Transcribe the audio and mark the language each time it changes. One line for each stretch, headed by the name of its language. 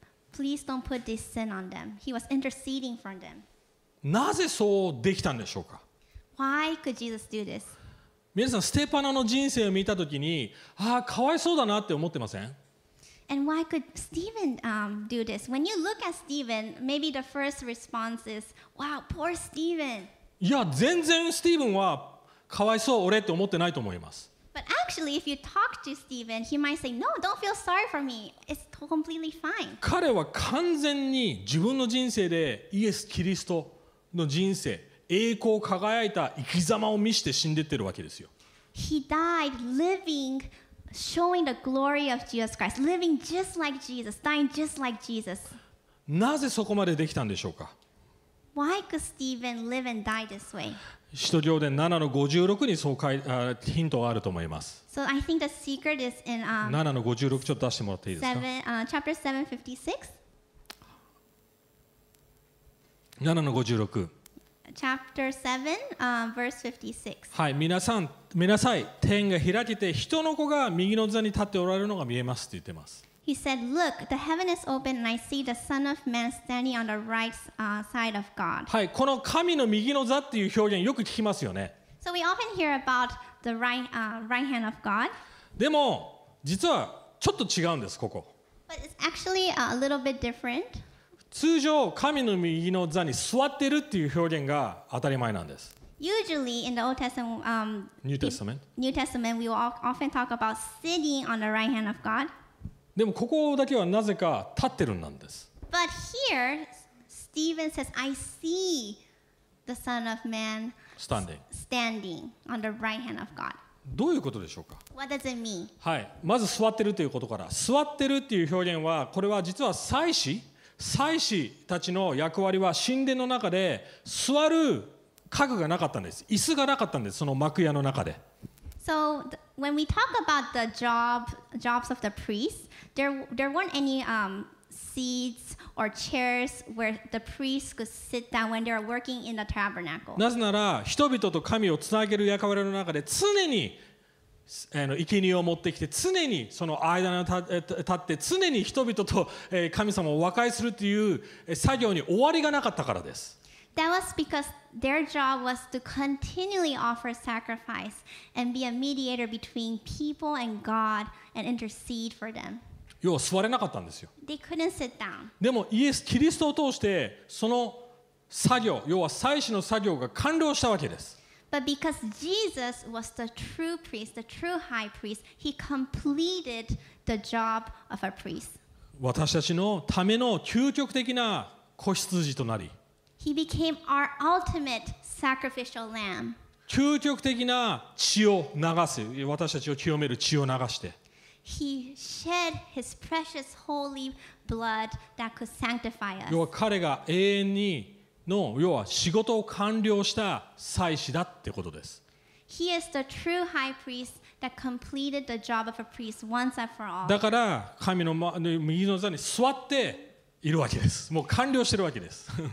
English: Please don't put this sin on them. He was interceding for them.
Japanese: なぜそうできたんでしょうか。
English: Why could Jesus do this?
Japanese: 皆さん、ステパノの人生を見たときに、ああかわいそうだなって思ってません？
English: And why could Stephen do this? When you look at Stephen, maybe the first response is, "Wow, poor Stephen."
Japanese: いや、全然スティーブンはかわいそう、俺って思ってないと思います。
English: But actually, if you talk to Stephen, he might say, No, don't feel sorry for me. It's completely fine.
Japanese: 彼は完全に自分の人生でイエス・キリストの人生、栄光を輝いた生き様を見して死んでってるわけですよ。
English: He died living, showing the glory of Jesus Christ, living just like Jesus, dying just like Jesus.
Japanese: なぜそこまでできたんでしょうか？
English: Why could Stephen live and die this way?
Japanese: 使徒行伝7の56にそうヒントがあると思います。
English: So I think the secret is in
Japanese: 7の56ちょっと出してもらっていいですか？
English: Chapter 7:56.
Japanese: 7の56。
English: Chapter 7, verse 56.
Japanese: はい、皆さん、見なさい。天が開けて人の子が右の座に立っておられるのが見えますって言ってます。
English: He said, Look, the heaven is open and I see the Son of Man standing on the right side of God.
Japanese: はい、この神の右の座っていう表現よく聞きますよね。
English: So we often hear about the right hand of God.
Japanese: でも、実はちょっと違うんです、ここ。
English: But it's actually a little bit different.
Japanese: 通常、神の右の座に座ってるっていう表現が当たり前なんです。
English: Usually in the Old Testament, New Testament, we will often talk about sitting on the right hand of God.
Japanese: でもここだけはなぜか立ってるんなんです。
English: But here, Stephen says, I see the Son of Man standing on the right hand of God.
Japanese: どういうことでしょうか？
English: What does it mean?
Japanese: はい、まず座ってるということから。座ってるっていう表現は、これは実は祭司たちの役割は神殿の中で座る家具がなかったんです。椅子がなかったんです。その幕屋の中で。
English: So when we talk about the jobs of the priests, there weren't any seats or chairs where the priests could sit down when they were working in the tabernacle.
Japanese: なぜなら人々と神をつなげる役割の中で常に生贄を持ってきて常にその間に立って常に人々と神様を和解するという作業に終わりがなかったからです。
English: That was because their job was to continually offer sacrifice and be a mediator between people and God and intercede for them.
Japanese: 要は座れなかったんですよ。
English: They couldn't sit down.
Japanese: でもイエス・キリストを通してその作業、要は祭司の作業が完了したわけです。
English: But because Jesus was the true priest, the true high priest, he completed the job of a priest.
Japanese: 私たちのための究極的な子羊となり、
English: He became our ultimate sacrificial lamb.
Japanese: 究極的な血を流す、私たちを清める血を流して。
English: He shed his precious holy blood that could sanctify us.
Japanese: 要は彼が永遠にの、要は仕事を完了した祭司だってことです。
English: He is the true high priest that completed the job of a priest once and for all.
Japanese: だから神の右の座に座っているわけです。もう完了してるわけです。